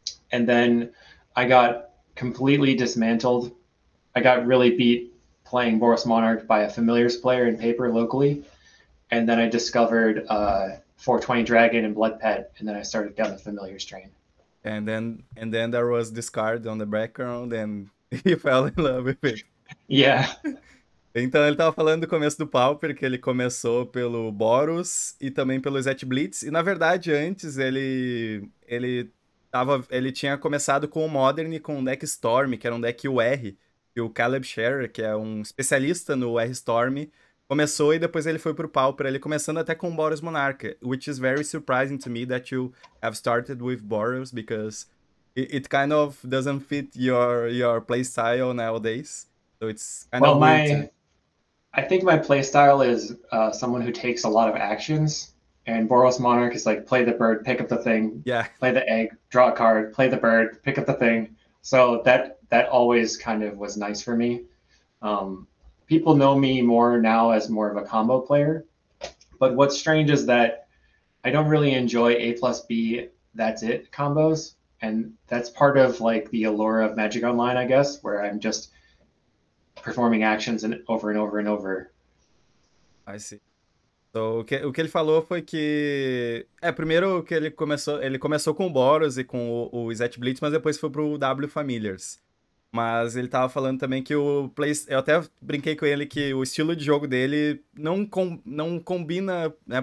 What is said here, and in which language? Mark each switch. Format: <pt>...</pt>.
<en>And then I got completely dismantled. I got really beat playing Boros Monarch by a Familiars player in paper locally, and then I discovered 420 Dragon and Blood Pet, and then I started down the Familiars train. And then there was this card on the background, and he fell in love with it. Yeah.</en> <pt>Então, ele tava falando do começo do Pauper, que ele começou pelo Boros e também pelo Zet Blitz. E, na verdade, antes, ele tinha começado com o Modern e com o deck Storm, que era um deck UR. E o Caleb Scherer, que é um especialista no UR Storm, começou e depois ele foi pro Pauper, ele começando até com o Boros Monarca.</pt> <en>Which is very surprising to me that you have started with Boros, because it kind of doesn't fit your playstyle nowadays. So it's kind well, weird. I think my playstyle is someone who takes a lot of actions, and Boros Monarch is like play the bird, pick up the thing, yeah. Play the egg, draw a card, play the bird, pick up the thing. So that always kind of was nice for me. People know me more now as more of a combo player, but what's strange is that I don't really enjoy A plus B, that's it combos, and that's part of like the allure of Magic Online, I guess, where I'm just performing actions and over and over and over. I see.</en> <pt>Então, o que ele falou foi que... É, primeiro que ele começou com o Boros e com o Zet Blitz, mas depois foi pro W Familiars. Mas ele tava falando também que o play... Eu até brinquei com ele que o estilo de jogo dele não combina, né?</pt>